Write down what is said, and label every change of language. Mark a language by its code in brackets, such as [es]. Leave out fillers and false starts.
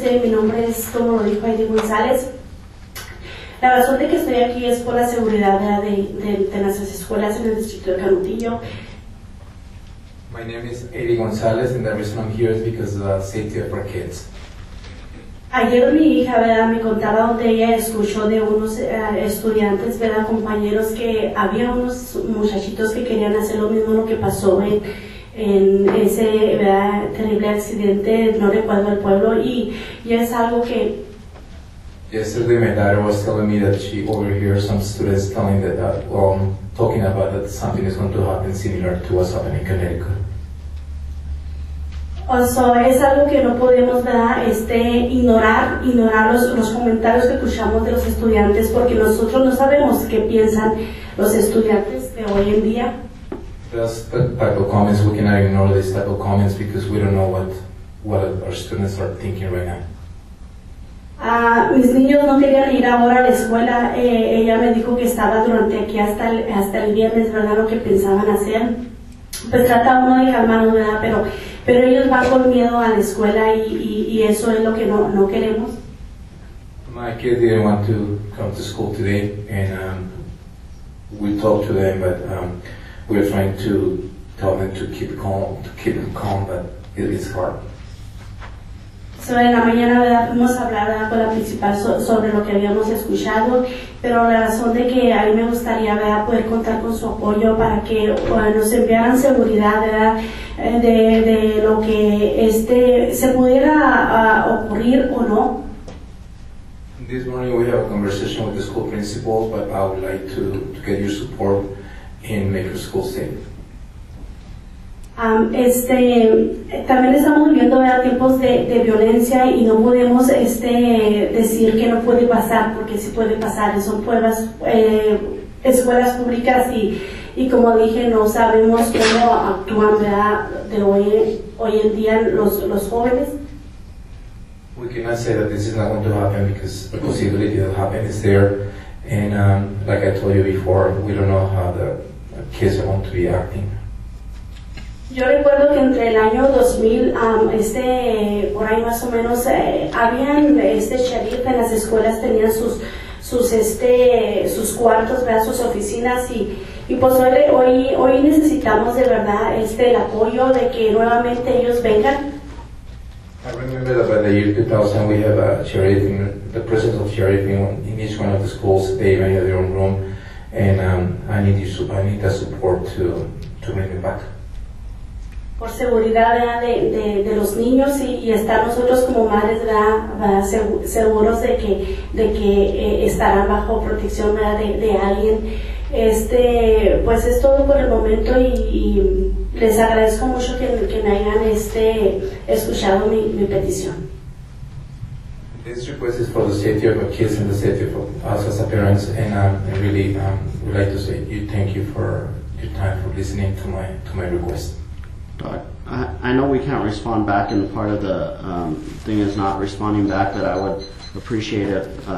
[es] Mi nombre es, como lo dijo Heidi Gonzalez. La razón de que estoy aquí es por la seguridad de nuestras escuelas en el distrito de Canutillo. [en] My name is Heidi Gonzalez, and the reason I'm here is because of the safety of our kids. [es] Ayer mi hija, ¿verdad?, me contaba donde ella escuchó de unos estudiantes, ¿verdad?, compañeros, que había unos muchachitos que querían hacer lo mismo lo que pasó en ese, ¿verdad?, terrible accidente, no recuerdo el pueblo, y es algo que... [en] Yesterday my daughter was telling me that she overhears some students telling that, talking about that something is going to happen similar to what's happening in Connecticut. [es] O sea, es algo que no podemos, ¿verdad?, ignorar los comentarios que escuchamos de los estudiantes, porque nosotros no sabemos qué piensan los estudiantes de hoy en día. [en] That's the type of comments. We cannot ignore this type of comments because we don't know what our students are thinking right now. [es] Mis niños no querían ir ahora a la escuela. Ella me dijo que estaba durante aquí hasta el viernes, ¿verdad?, lo que pensaban hacer. Pues trata uno de calmarlo, ¿verdad?, pero ellos van con miedo a la escuela y eso es lo que no queremos. [en] My kids didn't want to come to school today, and we talked to them, but we are trying to tell them to keep them calm, but it is hard. [es] So en la mañana, ¿verdad?, fuimos a hablar con la principal sobre lo que habíamos escuchado, pero la razón de que a mí me gustaría, ¿verdad?, poder contar con su apoyo para que nos enviaran seguridad, ¿verdad?, de lo que se pudiera ocurrir o no. [en] This morning we have a conversation with the school principal, but I would like to get your support and make the school safe. [es] También estamos viviendo tiempos de violencia y no podemos decir que no puede pasar, porque sí puede pasar. Son pruebas, escuelas públicas y como dije, no sabemos cómo actúan, ¿verdad?, hoy en día los jóvenes. [en] We cannot say that this is not going to happen because the possibility of happening is there. And like I told you before, we don't know how the kids are going to be acting. [es] Yo recuerdo que entre el año 2000, por ahí más o menos, habían sheriff en las escuelas, tenían sus cuartos, ¿verdad?, sus oficinas, y pues hoy necesitamos de verdad el apoyo de que nuevamente ellos vengan. [en] I remember that by the year 2000 we have a sheriff, the presence of sheriff in each one of the schools. They may have their own room, and I need the support to bring them back. [es] Por seguridad de los niños y estar nosotros como madres, ¿verdad?, seguros de que estarán bajo protección de alguien. Pues es todo por el momento y les agradezco mucho que me hayan escuchado mi petición. [en] This request is for the safety of our kids and the safety of us as parents, and I really would like to say thank you for your time for listening to my request. I know we can't respond back, and part of the thing is not responding back, but I would appreciate it